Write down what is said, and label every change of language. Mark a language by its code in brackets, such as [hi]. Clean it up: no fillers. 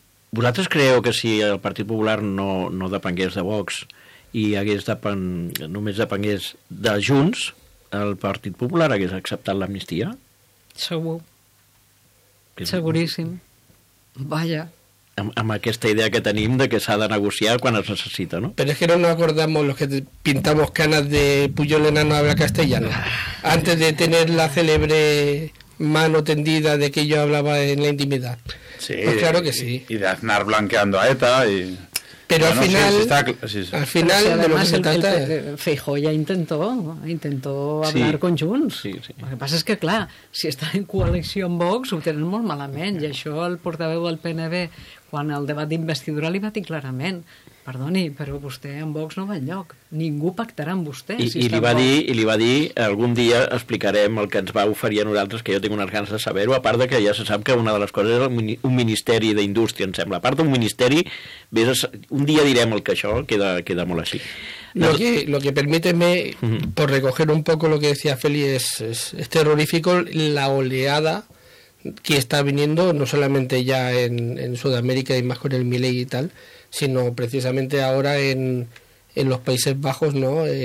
[ca] Vosaltres creieu que si el Partit Popular no depengués de Vox i només depengués de Junts, el Partit Popular hagués acceptat l'amnistia? Segur. Seguríssim. Vaja. Amb aquesta idea que tenim de que s'ha de negociar quan es necessita, no? [es] Pero es que no nos acordamos los que pintamos canas de Puyol enano habla castellano. Antes de tener la célebre mano tendida de que yo hablaba en la intimidad. Sí. Pues claro que sí. Y de Aznar blanqueando a ETA y... Pero bueno, al final, sí, al final de lo que se trata... Feijóo ya intentó hablar con Junts. Sí, sí. Lo que pasa es que, [ca] clar, si està en coalició amb Vox, ho tenen molt malament. Sí. I això el portaveu del PNB, quan el debat d'investidura li va dir clarament, perdoni, però vostè amb Vox no va enlloc. Ningú pactarà amb vostè. I li va dir, algun dia explicarem el que ens va oferir a nosaltres, que jo tinc unes ganes de saber-ho, a part de que ja se sap que una de les coses és un ministeri d'indústria, em sembla. A part d'un ministeri, un dia direm el que això queda molt així. [es] Lo que permíteme, por recoger un poco lo que decía Feli, es terrorífico la oleada que está viniendo, no solamente ya en Sudamérica y más con el Milei y tal, sino precisamente ahora en los Países Bajos, ¿no?